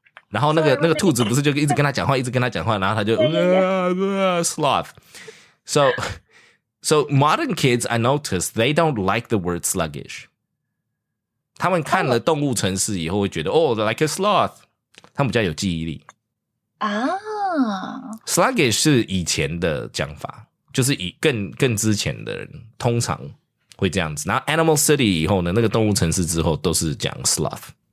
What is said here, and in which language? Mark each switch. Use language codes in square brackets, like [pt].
[zh] 然后那个兔子不是就一直跟它讲话，一直跟它讲话，然后它就sloth。 [en] So modern kids, I notice they don't like the word sluggish. [zh] 他们看了动物城市以后会觉得哦 [en] like a sloth， [zh] 他们比较有记忆力啊。 Sluggish 是以前的讲法，就是以更之前的人通常会这样子，然后 Animal City 以后呢，那个动物城市之后都是讲 sloth。